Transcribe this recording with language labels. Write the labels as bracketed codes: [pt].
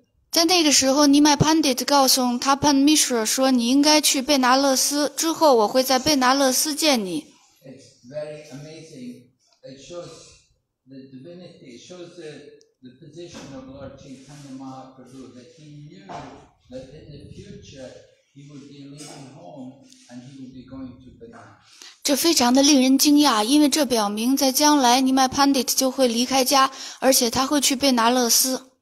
[zh] 在那个时候，尼麦潘迪特告诉他潘米舍说：“你应该去贝拿勒斯，之后我会在贝拿勒斯见你。” [en] It's very amazing. It shows the divinity. It shows the position of Lord Chaitanya Mahaprabhu that he knew that in the future he would be leaving home and he would be going to Benares. [zh] 这非常的令人惊讶，因为这表明在将来尼麦潘迪特就会离开家，而且他会去贝拿勒斯。